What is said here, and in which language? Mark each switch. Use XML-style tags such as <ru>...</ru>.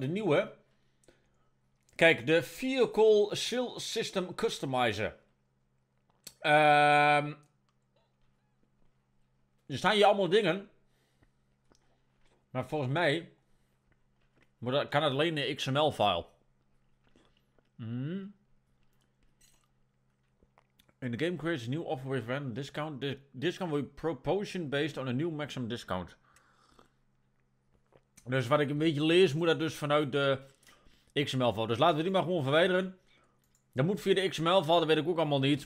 <nl>De nieuwe. Kijk, de Vehicle Seal System Customizer. Er staan hier allemaal dingen. Maar volgens mij kan het alleen in de XML-file. In de</nl> <en>game creates a new offer with random discount. This discount will be proportion based on a new maximum discount.</en> <nl>Dus wat ik een beetje lees, moet dat dus vanuit de XML-file. Dus laten we die maar gewoon verwijderen. Dat moet via de XML-file, dat weet ik ook allemaal niet.</nl>